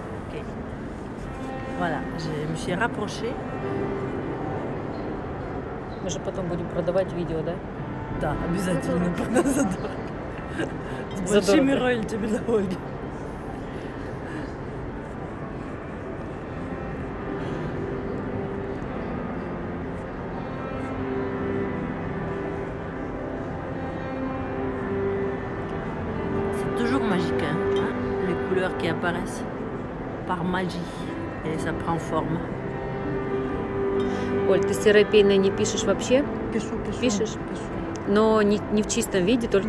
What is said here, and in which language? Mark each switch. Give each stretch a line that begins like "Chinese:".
French: Ok, voilà, je me suis rapprochée.
Russian: Мы же потом будем продавать видео, да? Да, обязательно. Задорого. С большими роялтями на Ольге.
French: Это toujours magique, hein? Les couleurs qui apparaissent par magie. Et ça prend forme.
Russian: Оль, ты серапейной не пишешь вообще? Пишу, пишу. Пишешь? Пишу. Но не в чистом виде, только